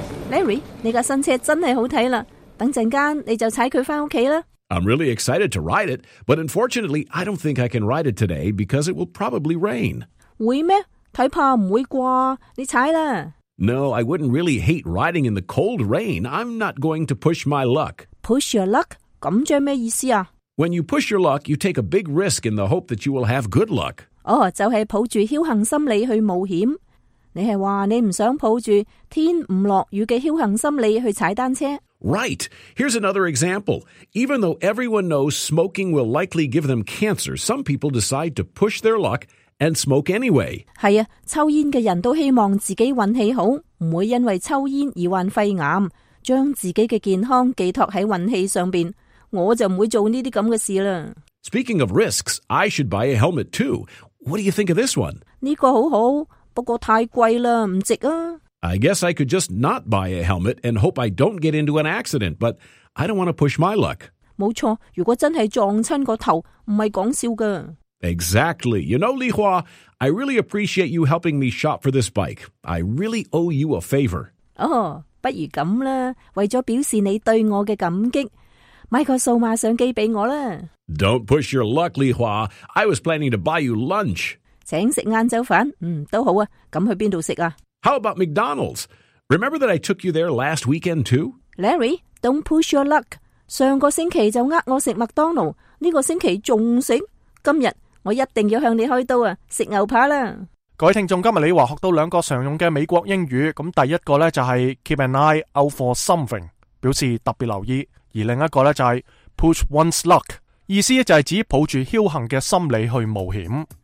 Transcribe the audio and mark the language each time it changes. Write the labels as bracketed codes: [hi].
[yue] Larry， 你架新车真系好睇啦！等阵间你就踩佢翻屋企啦。 [en] I'm really excited to ride it, but unfortunately, I don't think I can ride it today because it will probably rain. [yue] 会咩？睇怕唔会啩？你踩啦。 [en] No, I wouldn't really hate riding in the cold rain. I'm not going to push my luck. Push your luck？ [yue] 咁即系咩意思啊 [en] ？When you push your luck, you take a big risk in the hope that you will have good luck. [yue] 哦，就系抱住侥幸心理去冒险。你系话你唔想抱住天唔落雨嘅侥幸心理去踩单车 [en] ？Right. Here's another example. Even though everyone knows smoking will likely give them cancer, some people decide to push their luck and smoke anyway. [yue] 系啊，抽烟嘅人都希望自己运气好，唔会因为抽烟而患肺癌，将自己嘅健康寄托喺运气上边。我就唔会做呢啲咁嘅事啦。 [en] Speaking of risks, I should buy a helmet too. What do you think of this one? [yue] 呢个好好。不过太贵了，唔值啊。 [en] I guess I could just not buy a helmet and hope I don't get into an accident, but I don't want to push my luck. [yue] 冇错，如果真系撞亲个头，唔系讲笑噶。 [en] Exactly. You know, Li Hua, I really appreciate you helping me shop for this bike. I really owe you a favor. [yue] 哦，不如咁啦，为咗表示你对我嘅感激，买个数码相机俾我啦。 [en] Don't push your luck, Li Hua. I was planning to buy you lunch. [yue] 请食晏昼饭，都好啊。咁去边度食啊 [en] ？How about McDonald's? Remember that I took you there last weekend too. Larry, don't push your luck. [yue] 上个星期就呃我食麦当劳，呢个星期仲食。今日我一定要向你开刀啊！食牛扒啦。各位听众，今日李华学到两个常用嘅美国英语。咁第一个咧就系 [en] keep an eye out for something， [yue] 表示特别留意；而另一个咧就系 [en] push one's luck， [yue] 意思就系指抱住侥幸嘅心理去冒险。